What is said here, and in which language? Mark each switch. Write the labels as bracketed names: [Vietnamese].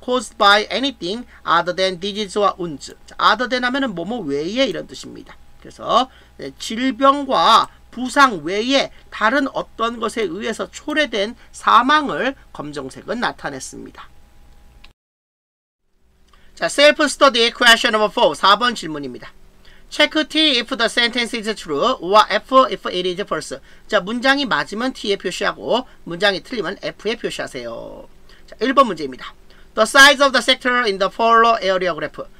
[English] Caused by anything other than disease or wounds. [Korean] 자, other than 하면은 뭐뭐 외에 이런 뜻입니다. 그래서 질병과 부상 외에 다른 어떤 것에 의해서 초래된 사망을 검정색은 나타냈습니다. [English] 자, self-study question number 4, [Korean] 4번 질문입니다. [English] Check T if the sentence is true or F if it is false. [Korean] 자, 문장이 맞으면 T에 표시하고 문장이 틀리면 F에 표시하세요. 자, 1번 문제입니다. [English] The size of the sector in the polar area graph.